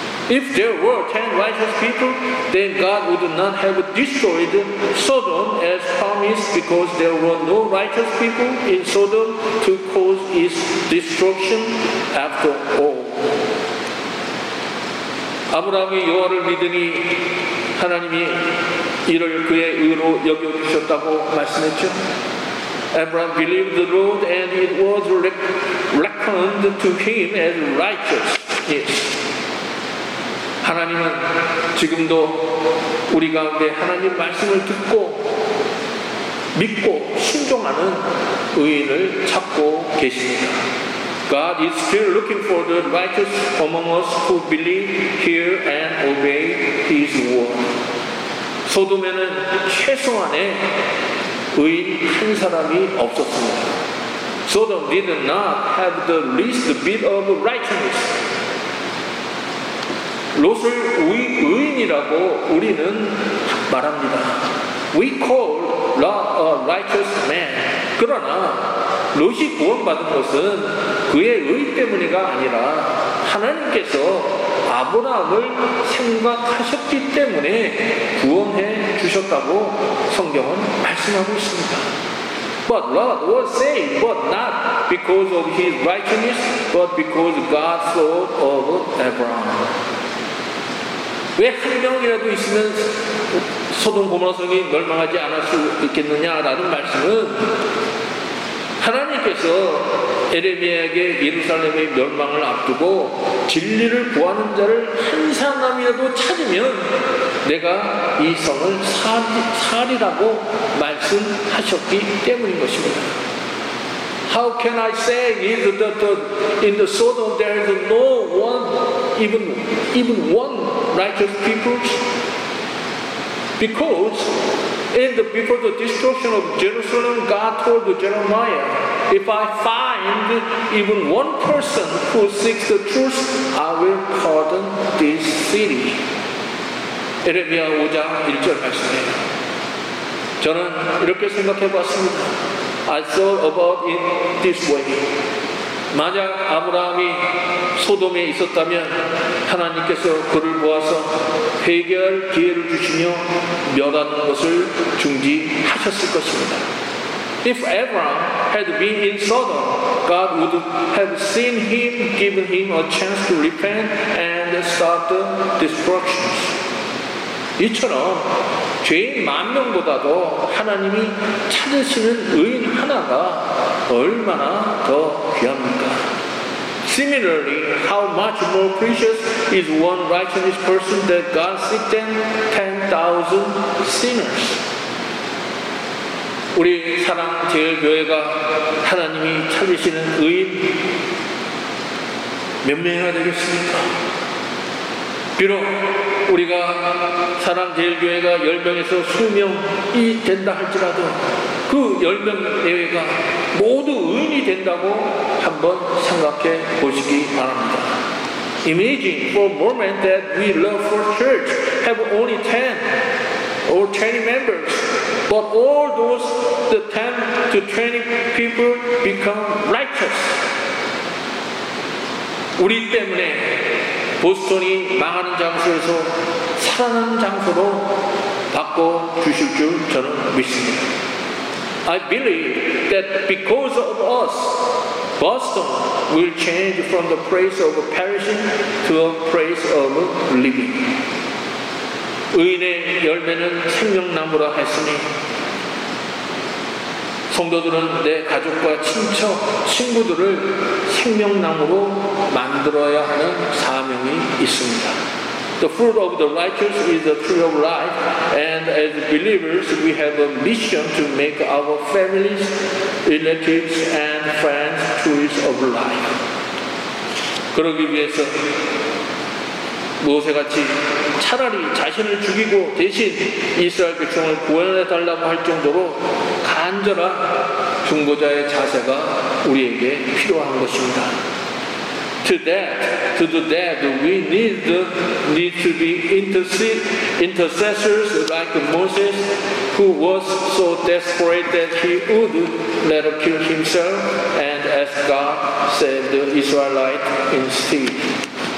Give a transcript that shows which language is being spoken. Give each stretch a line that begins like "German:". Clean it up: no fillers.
English: If there were 10 righteous people, then God would not have destroyed Sodom as promised because there were no righteous people in Sodom to cause its destruction after all.
Korean: 아브라함이 여호와를 믿으니 하나님이 이를 그의 의로 여겨주셨다고 말씀했죠.
English: Abraham believed the Lord and it was reckoned to him as righteous. Yes.
Korean: 하나님은 지금도 우리 가운데 하나님 말씀을 듣고 믿고 순종하는 의인을 찾고 계십니다.
English: God is still looking for the righteous among us who believe, hear, and obey His word.
Korean: 소돔에는 최소한의 의인 한 사람이 없었습니다.
English: Sodom did not have the least bit of righteousness.
Korean: 롯을 의인이라고 우리는 말합니다.
English: We call Lot a righteous man.
Korean: 그러나 롯이 구원받은 것은 그의 의 때문이가 아니라 하나님께서 아브라함을 생각하셨기 때문에 구원해 주셨다고 성경은 말씀하고 있습니다.
English: But Lot was saved, but not because of his righteousness, but because God thought of Abraham.
Korean: 왜 한 명이라도 있으면 소돔 고모라 성이 멸망하지 않을 수 있겠느냐라는 말씀은 하나님께서 예레미야에게 예루살렘의 멸망을 앞두고 진리를 구하는 자를 한 사람이라도 찾으면 내가 이 성을 살리라고 말씀하셨기 때문인 것입니다.
English: How can I say is that the, in the Sodom there is no one, even one righteous people? Because in the, before the destruction of Jerusalem, God told Jeremiah, if I find even one person who seeks the truth, I will pardon this city.
Korean: 예레미야 5장 1절 말씀에 저는 이렇게 생각해 봤습니다.
English: I thought about it this way.
Korean: 만약 아브라함이 소돔에 있었다면 하나님께서 그를 모아서 회개할 기회를 주시며 멸하는 것을 중지하셨을 것입니다.
English: If Abraham had been in Sodom, God would have seen him, given him a chance to repent and start the destruction.
Korean: 이처럼 죄인 만 명보다도 하나님이 찾으시는 의인 하나가 얼마나 더 귀합니까? Similarly, how much more precious is one righteous person that God seeks than 10,000 sinners? 우리 사랑제일교회가 하나님이 찾으시는 의인 몇 명이나 되겠습니까? 비록 우리가 사랑제일교회가 10명에서 20명이 된다 할지라도 그 10명 내외가 모두 의인이 된다고 한번 생각해 보시기 바랍니다.
English: Imagine for a moment that we love for church have only 10 or 20 members, but all those the 10 to 20 people become righteous.
Korean: 우리 때문에 보스턴이 망하는 장소에서 살아난 장소로 받고 주실 줄 저는 믿습니다.
English: I believe that because of us, Boston will change from the place of perishing to a place of living.
Korean: 의인의 열매는 생명나무라 했으니 성도들은 내 가족과 친척, 친구들을 생명나무로 만들어야 하는 사명이 있습니다.
English: The fruit of the righteous is the tree of life, and as believers, we have a mission to make our families, relatives, and friends trees of life.
Korean: 그러기 위해서 모세 같이 차라리 자신을 죽이고 대신 이스라엘 백성을 구원해 달라고 할 정도로 간절한 중보자의 자세가 우리에게 필요한 것입니다.
English: To do that, we need to be intercessors like Moses, who was so desperate that he would let him kill himself and ask God save the Israelites instead.